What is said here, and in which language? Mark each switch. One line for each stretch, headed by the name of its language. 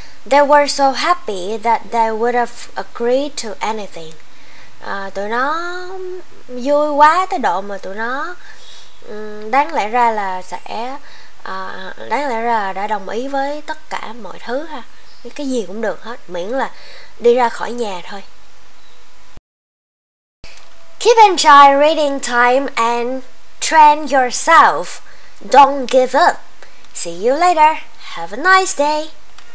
English: They were so happy that they would have agreed to anything.
Vietnamese: Tụi nó vui quá tới độ mà tụi nó đáng lẽ ra đã đồng ý với tất cả mọi thứ ha. Cái gì cũng được hết, miễn là đi ra khỏi nhà thôi.
English: Keep an eye reading time and train yourself. Don't give up. See you later. Have a nice day.